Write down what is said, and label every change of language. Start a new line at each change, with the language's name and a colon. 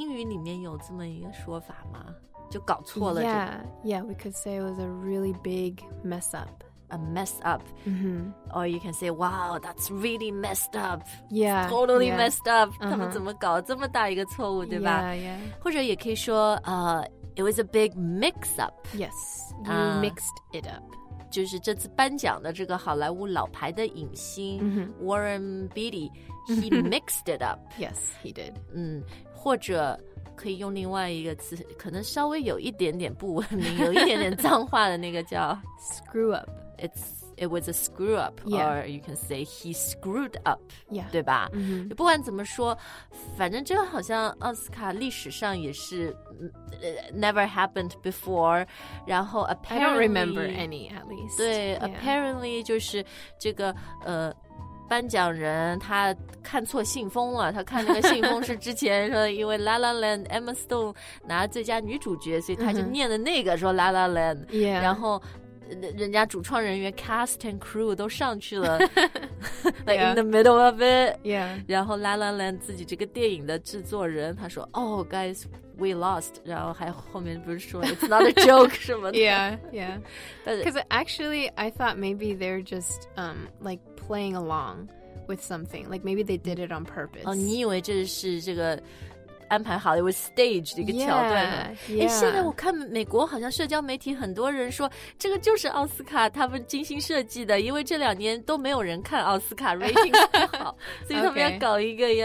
Chinese: 然后乌龙就是英语里面有这么一个说法吗? 就搞错了,
English: yeah, yeah, we could say it was a really big mess up. A mess up. Mm-hmm. Or you can say, wow, that's really messed up. Yeah. It's totally yeah. messed up. Uh-huh.
Chinese: 他们怎么搞这么大一个错误, 对吧?
English: Yeah, yeah.
Chinese: 或者也可以说,
English: it was a big mix up. Yes, you mixed it up.
Chinese: 就是这次颁奖的这个好莱坞老牌的影星 mm-hmm.
English: Warren Beatty, he mixed it up. Yes, he did.
Chinese: 或者 可以用另外一个词, 可能稍微有一点点不文明, 有一点点脏话的那个叫
English: screw up. It was a screw up, yeah. or you can say he screwed up, yeah.
Chinese: 对吧? Mm-hmm. 不管怎么说, 反正这个好像奥斯卡历史上也是
English: never happened before,
Chinese: 然后 apparently,
English: I don't remember any, at least.
Chinese: 对, yeah. apparently就是这个, 颁奖人他看错信封了，他看那个信封是之前说因为 La La Land Emma Stone 拿最佳女主角，所以他就念的那个说 La La Land，
English: yeah.
Chinese: 然后人家主创人员 cast and crew 都上去了，
English: like yeah. in the middle of it， yeah.
Chinese: 然后 La La Land 自己这个电影的制作人他说，
English: Oh guys， we lost，
Chinese: 然后还后面不是说
English: it's not a joke
Chinese: 什么的，
English: yeah， yeah， because actually I thought maybe they're just like playing along with something, like maybe they did it on purpose.
Chinese: Oh, 你以为这是这个安排好,
English: it was staged,
Chinese: 一个桥段。
English: Yeah, yeah.
Chinese: 现在我看美国好像社交媒体很多人说这个就是奥斯卡他们精心设计的, 因为这两年都没有人看奥斯卡, rating 不好, 所以他们要搞一个,
English: okay.